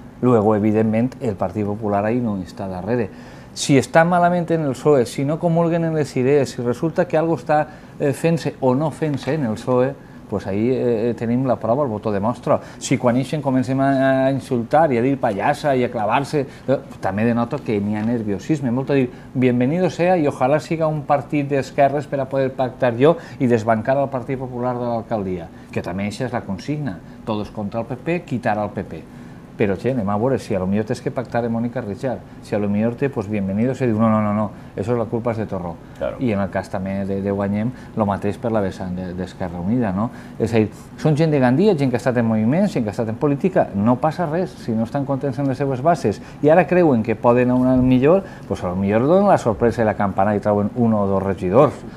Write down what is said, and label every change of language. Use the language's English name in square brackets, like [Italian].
[Catalan] Luego, evidentment, el Partit Popular ahí no està darrere. Si està malament en el PSOE, si no comulguen en les idees, si resulta que algo està fent-se o no fent-se en el PSOE, pues ahí tenim la prova, el voto demostra. Si quan ixen comencem a insultar i a dir pallassa i a clavar-se, també denoto que n'hi ha nerviosisme. Molt a dir, [Spanish] bienvenido sea [Catalan] i ojalá siga un partit d'esquerres per a poder pactar jo i desbancar el Partit Popular de l'alcaldia, que també això és la consigna. [Spanish] Todos contra el PP, quitar al PP. [Catalan] Però, xe, anem a veure, si a lo millor tens que pactar amb Mònica Richard, si a lo millor té, pues bienvenido, se diu no, [Spanish] eso es la culpa de Torró. [Catalan] I en el cas també de Guanyem, lo mateix per la vessant d'Esquerra Unida, no? És a dir, són gent de Gandia, gent que ha estat en moviment, gent que ha estat en política, no passa res, si no estan contents en les seues bases, i ara creuen que poden anar millor, pues a lo millor donen la sorpresa i la campana i trauen un o dos regidors.